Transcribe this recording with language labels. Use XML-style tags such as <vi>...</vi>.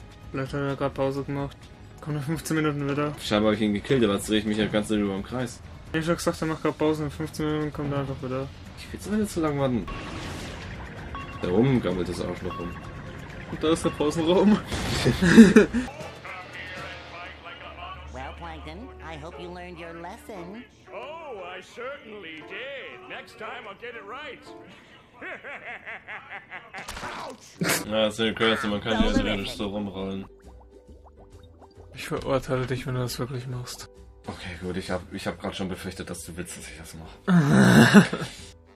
<de>Vielleicht hat er gerade Pause gemacht. Komm nach 15 Minuten wieder. Scheinbar habe ich ihn gekillt, aber jetzt drehe ich mich ja ganz darüber im Kreis. Ich habe schon gesagt, er macht gerade Pause. In 15 Minuten kommt er einfach wieder. Ich will jetzt nicht so lange warten. Da oben gammelt das Arschloch rum. Und da ist der Pausenraum.</de> <en>I hope you learned your lesson. Oh, I certainly did. Next time I'll get it right.</en> <de>Ouch. Na, das ist ja crazy, man kann ja theoretisch so rumrollen. Ich verurteile dich, wenn du das wirklich machst. Okay, gut, ich hab grad schon befürchtet, dass du willst, dass ich das mache.</de>